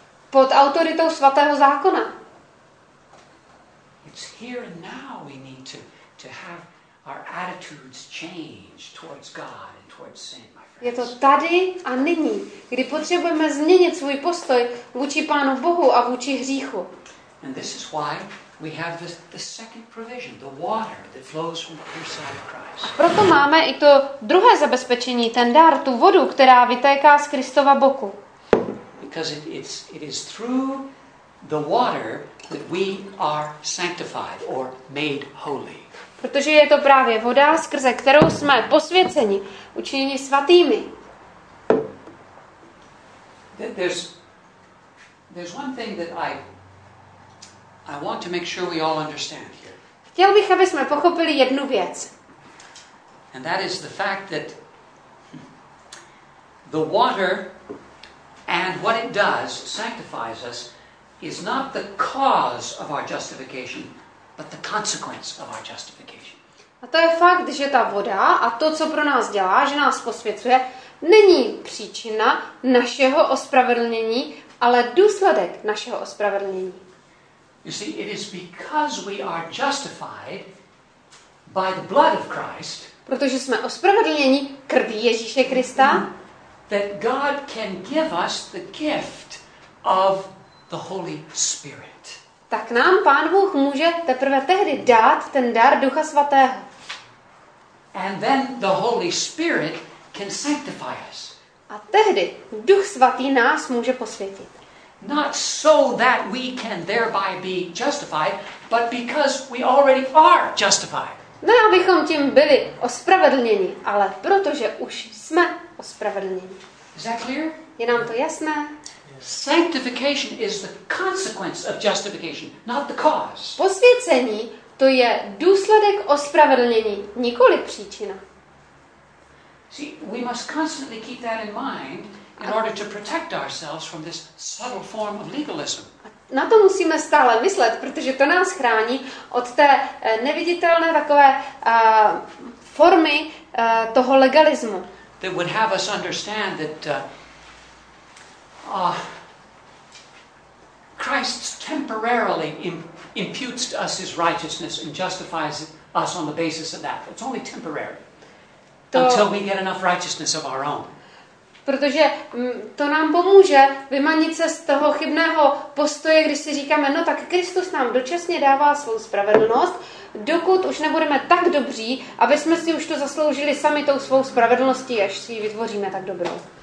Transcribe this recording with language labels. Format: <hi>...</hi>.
<cs>Pod autoritou svatého zákona.</cs> <en>It's here and now we need to have our attitudes changed towards God and towards sin, my friends.</en> <cs>Je to tady a nyní, kdy potřebujeme změnit svůj postoj vůči Pánu Bohu a vůči hříchu.</cs> <en>And this is why we have the second provision, the water that flows from the person of Christ.</en> <cs>A proto máme i to druhé zabezpečení, ten dar, tu vodu, která vytéká z Kristova boku.</cs> <en>Because it is through the water that we are sanctified or made holy.</en> <cs>Protože je to právě voda, skrze kterou jsme posvěceni, učiněni svatými.</cs> <en>There's one thing that I want to make sure we all understand here.</en> <cs>Chtěl bych, aby jsme pochopili jednu věc.</cs> <en>And that is the fact that the water and what it does sanctifies us is not the cause of our justification, but the consequence of our justification.</en> <cs>A to je fakt, že ta voda a to, co pro nás dělá, že nás posvěcuje, není příčina našeho ospravedlnění, ale důsledek našeho ospravedlnění.</cs> <en>You see, it is because we are justified by the blood of Christ.</en> <cs>Protože jsme ospravedlněni krví Ježíše Krista.</cs> <en>That God can give us the gift of the Holy Spirit.</en> <cs>Tak nám Pán Bůh může teprve tehdy dát ten dar Ducha Svatého.</cs> <en>And then the Holy Spirit can sanctify us.</en> <cs>A tehdy Duch svatý nás může posvětit.</cs> <en>Not so that we can thereby be justified, but because we already are justified.</en> <cs>Ne, abychom tím byli ospravedlněni, ale protože už jsme ospravedlněni.</cs> <en>Is that clear?</en> <cs>Je nám to jasné?</cs> <en>Sanctification is the consequence of justification, not the cause.</en> <cs>Posvěcení to je důsledek ospravedlnění, nikoli příčina.</cs> <en>See, we must constantly keep that in mind in order to protect ourselves from this subtle form of legalism.</en> <cs>Na to musíme stále myslet, protože to nás chrání od té neviditelné takové formy toho legalismu.</cs> <en>That would have us understand that Christ temporarily imputes to us his righteousness and justifies us on the basis of that. It's only temporary. Until we get enough righteousness of our own.</en> <cs>Protože to nám pomůže vymanit se z toho chybného postoje, když si říkáme, no tak Kristus nám dočasně dává svou spravedlnost, dokud už nebudeme tak dobří, aby jsme si už to zasloužili sami tou svou spravedlností, až si ji vytvoříme tak dobrou.</cs>